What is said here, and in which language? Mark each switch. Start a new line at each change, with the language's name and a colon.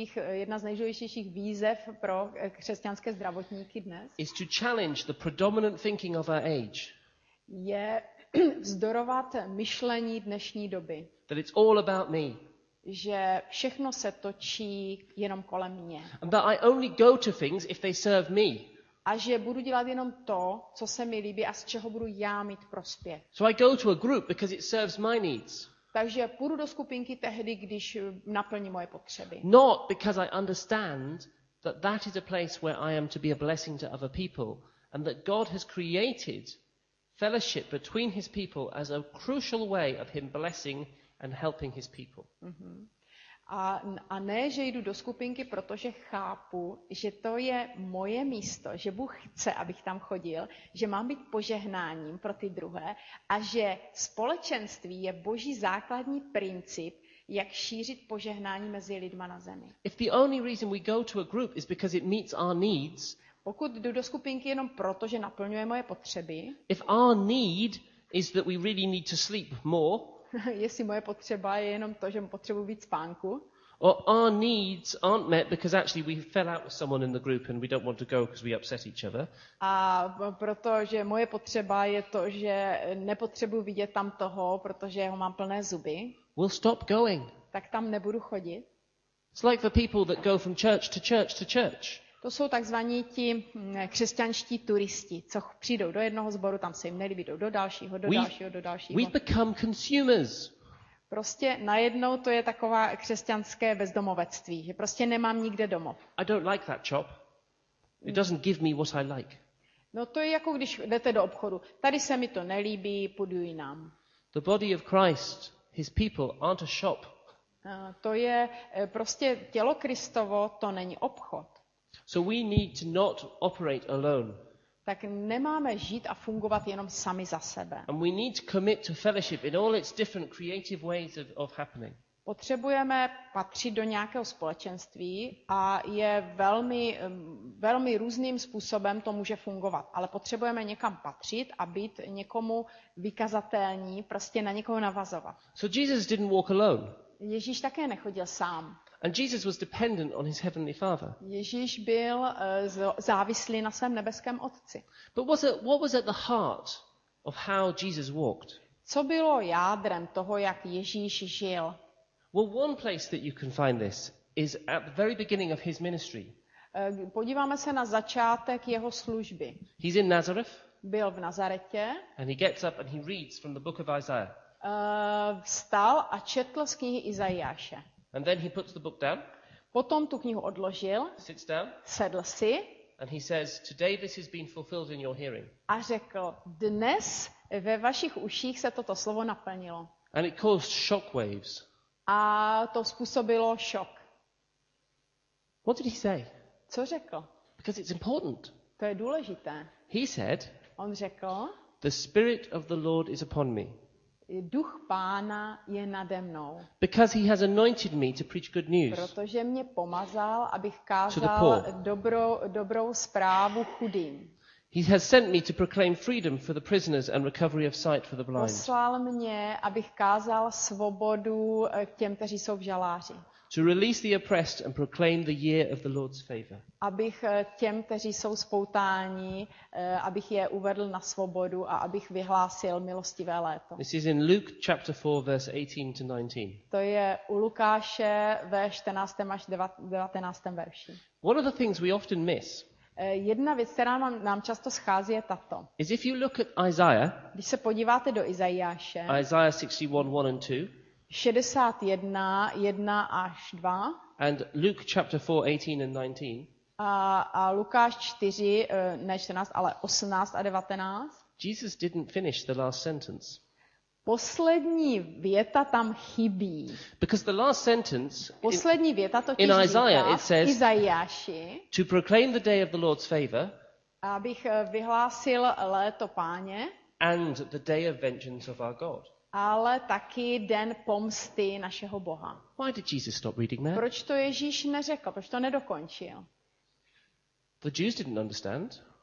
Czech: Jedna z nejdůležitějších výzev pro křesťanské zdravotníky dnes
English: is to challenge the predominant thinking of our age.
Czech: Je vzdorovat myšlení dnešní doby.
English: That it's all about me.
Czech: Že všechno se točí jenom kolem mě.
English: And that I only go to things if they serve me.
Czech: A že budu dělat jenom to, co se mi líbí a z čeho budu já mít prospěch.
English: So I go to a group because it serves my needs.
Czech: Takže půjdu do skupinky tehdy, když naplní moje potřeby.
English: Not because I understand that that is a place where I am to be a blessing to other people and that God has created fellowship between his people as a crucial way of him blessing and helping his people.
Czech: A ne, že jdu do skupinky, protože chápu, že to je moje místo, že Bůh chce, abych tam chodil, že mám být požehnáním pro ty druhé a že společenství je Boží základní princip, jak šířit požehnání mezi lidma na zemi.
English: If the only reason we go to a group is because it meets our needs,
Czech: pokud jdu do skupinky jenom proto, že naplňuje moje potřeby,
English: if our need is that we really need to sleep more,
Czech: jestli moje potřeba je jenom to, že potřebuji víc spánku,
English: or our needs aren't met because actually we fell out with someone in the group and we don't want to go because we upset each other,
Czech: a protože moje potřeba je to, že nepotřebuji vidět tam toho, protože ho mám plné zuby,
English: we'll stop going.
Czech: Tak tam nebudu chodit.
English: It's like the people that go from church to church to church.
Czech: To jsou takzvaní ti křesťanští turisti, co přijdou do jednoho sboru, tam se jim nelíbí, jdou do dalšího, do dalšího.
English: We've become consumers.
Czech: Prostě najednou to je taková křesťanské bezdomovectví, že prostě nemám nikde domov.
English: I don't like that shop. It doesn't give me what I like.
Czech: No to je jako když jdete do obchodu. Tady se mi to nelíbí, půjdu jinam.
English: The body of Christ, his people, aren't a shop.
Czech: To je prostě tělo Kristovo, to není obchod.
English: So we need to not operate alone.
Czech: Tak nemáme žít a fungovat jenom sami za sebe.
English: And we need to commit to fellowship in all its different creative ways of happening.
Czech: Potřebujeme patřit do nějakého společenství a je velmi, velmi různým způsobem to může fungovat. Ale potřebujeme někam patřit a být někomu vykazatelní, prostě na někoho navazovat.
English: So Jesus didn't walk alone.
Czech: Ježíš také nechodil sám.
English: And Jesus was dependent on his heavenly Father.
Czech: Ježíš byl závislý na svém nebeském Otci.
English: But what was at the heart of how Jesus walked?
Czech: Co bylo jádrem toho, jak Ježíš žil?
English: Well, one place that you can find this is at the very beginning of his ministry.
Czech: Podíváme se na začátek jeho služby.
English: He's in Nazareth.
Czech: Byl v Nazaretě.
English: And he gets up and he reads from the book of Isaiah.
Czech: Vstal a četl z knihy Izajáše.
English: And then he puts the book down.
Czech: Potom tu knihu odložil.
English: Sits down.
Czech: Sedl si.
English: And he says, "Today this has been fulfilled in your hearing."
Czech: A řekl, dnes ve vašich uších se toto slovo naplnilo.
English: And it caused shock waves.
Czech: A to způsobilo šok.
English: What did he say?
Czech: Co řekl?
English: Because it's important.
Czech: To je důležité.
English: He said,
Czech: on řekl,
English: "The Spirit of the Lord is upon me."
Czech: Duch Pána je nade mnou.
English: Because he has anointed me to preach good news.
Czech: Protože mě pomazal, abych kázal dobrou zprávu chudým.
English: He has sent me to proclaim freedom for the prisoners and recovery of sight for the blind.
Czech: Poslal mě, abych kázal svobodu těm, kteří jsou v žaláři.
English: To release the oppressed and proclaim the year of the Lord's favor.
Czech: Abych těm, kteří jsou spoutáni, abych je uvedl na svobodu a abych vyhlásil milostivé léto.
English: This is in Luke chapter 4 verse 18 to 19.
Czech: To je u Lukáše ve 14. až 19. verši.
English: One of the things we often miss.
Czech: Jedna věc, která nám často schází, je tato.
English: Is if you look at Isaiah.
Czech: Když se podíváte do Izajáše.
English: Isaiah 61 1 and 2.
Czech: 61, 1 až 2.
English: And Luke chapter 4, 18 and 19.
Czech: A Lukáš 4, ne 14, ale 18 a 19.
English: Jesus didn't finish the last sentence.
Czech: Poslední věta tam chybí.
English: Because the last sentence,
Czech: poslední věta totiž
English: in Isaiah,
Czech: říká,
English: it says,
Czech: Izajáši,
English: to proclaim the day of the Lord's favor,
Czech: abych vyhlásil léto Páně,
English: and the day of vengeance of our God.
Czech: Ale taky den pomsty našeho Boha.
English: Why did Jesus stop reading that?
Czech: Proč to Ježíš neřekl? Proč to nedokončil?
English: The Jews didn't understand.